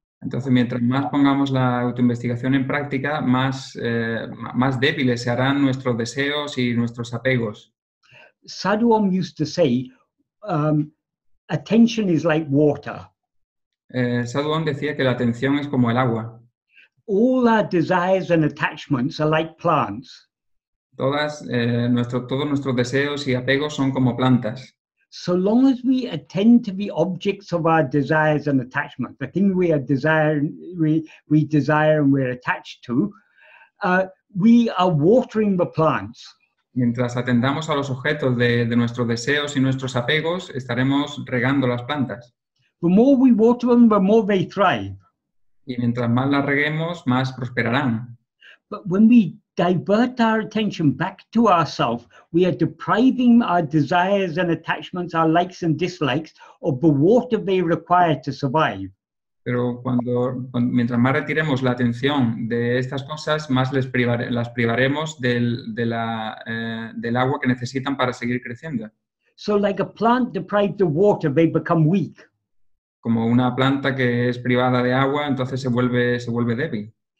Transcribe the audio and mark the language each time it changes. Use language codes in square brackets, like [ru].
[es] Entonces, mientras más pongamos la autoinvestigación en práctica, más débiles se harán nuestros deseos y nuestros apegos. [en] Sadhu Om used to say, attention is like water. [es] Sadhu Om decía que la atención es como el agua. [en] All our desires and attachments are like plants. [es] Todos nuestros deseos y apegos son como plantas. [en] So long as we attend to the objects of our desires and attachments, the thing we are we desire and we're attached to, we are watering the plants. [es] Mientras atendamos a los objetos de nuestros deseos y nuestros apegos, estaremos regando las plantas. [en] The more we water them, the more they thrive. [es] Y mientras más las reguemos, más prosperarán. [en] But when we divert our attention back to ourselves, we are depriving our desires and attachments, our likes and dislikes, of the water they require to survive. [es] Pero mientras más retiremos la atención de estas cosas, más las privaremos del agua que necesitan para seguir creciendo. [en] So like a plant deprived of water, they become weak. [es] Como una planta que es privada de agua, entonces se vuelve débil.